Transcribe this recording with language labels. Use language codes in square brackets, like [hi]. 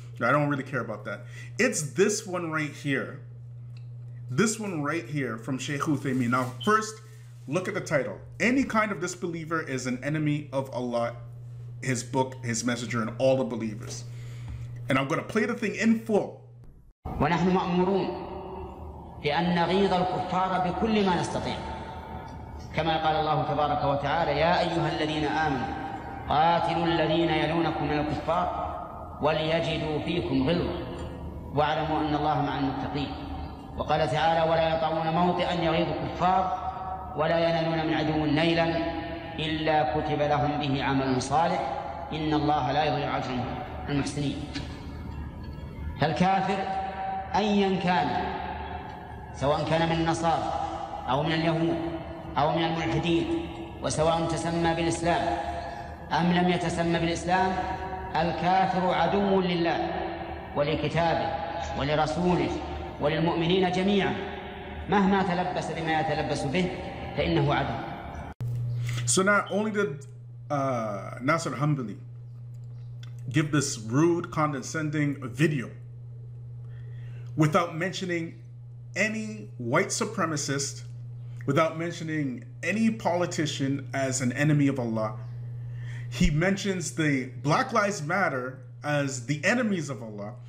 [en] I don't really care about that. It's this one right here. This one right here from Sheikh Uthaymeen. Now, first, look at the title. Any kind of disbeliever is an enemy of Allah, his book, his messenger, and all the believers. And I'm going to play the thing in full. [ar] وَنَحْنُ مَأْمُرُونَ لِأَنَّ نَغِيظَ الْكُفَّارَ بِكُلِّ مَا نَسْتَطِيعُ كَمَا قَالَ اللَّهُ تَبَارَكَ وَتَعَالَى يَا أَيُّهَا الَّذِينَ آمَنُوا قَاتِلُوا الَّذِينَ يَلُونَكُم مِّنَ الْكُفَّارِ وَلْيَجِدُوا فِيكُمْ غِلْظَةً وَاعْلَمُوا أَنَّ اللَّهَ مَعَ الْمُتَّقِينَ وقال تعالى ولا يطعون موطئا يغيظ الكفار ولا ينالون من عدو نيلا الا كتب لهم به عمل صالح ان الله لا يضيع اجر المحسنين فالكافر ايا كان سواء كان من النصارى او من اليهود او من الملحدين وسواء تسمى بالاسلام ام لم يتسمى بالاسلام الكافر عدو لله ولكتابه ولرسوله وللمؤمنين جميعا مهما تلبس بما يتلبس به فإنه عدو. [en] So not only did Nasir AlHanbali give this rude, condescending video without mentioning any white supremacist, without mentioning any politician as an enemy of Allah, he mentions the Black Lives Matter as the enemies of Allah.